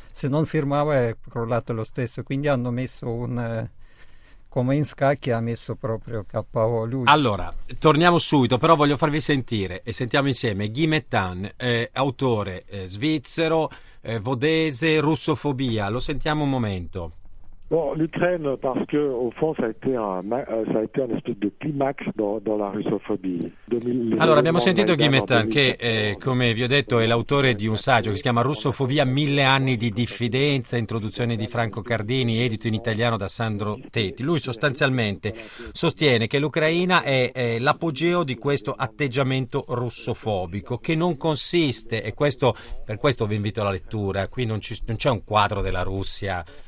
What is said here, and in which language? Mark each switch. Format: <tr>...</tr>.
<it>Se non firmava è crollato lo stesso, quindi hanno messo un come in scacchi, ha messo proprio KO lui. Allora torniamo subito, però voglio farvi sentire e sentiamo insieme Guy Mettan, autore svizzero, vodese, russofobia, lo sentiamo un momento.</it> <fr>Bon, l'Ukraine, parce que au fond ça a été un espèce de climax dans la russophobie.</fr> <it>Allora, abbiamo sentito Guy Mettan, che come vi ho detto è l'autore di un saggio che si chiama Russofobia, 1000 anni di diffidenza, introduzione di Franco Cardini, edito in italiano da Sandro Tetti. Lui sostanzialmente sostiene che l'Ucraina è l'apogeo di questo atteggiamento russofobico, che non consiste, e questo per questo vi invito alla lettura, qui non c'è un quadro della Russia</it>